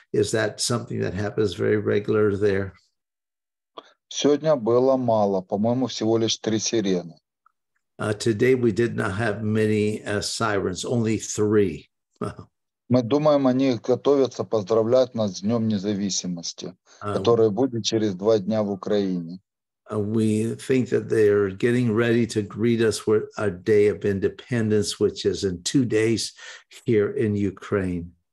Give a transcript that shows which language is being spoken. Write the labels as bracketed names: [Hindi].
[English] Is that something that happens very regular there? [Russian] Сегодня было мало. По-моему, всего лишь три сирены. [English] Today we did not have many sirens, only three. [Russian] Мы думаем, они готовятся поздравлять нас с Днем Независимости, который будет через два дня в Украине. [English] We think that they are getting ready to greet us for our Day of Independence, which is in 2 days here in Ukraine.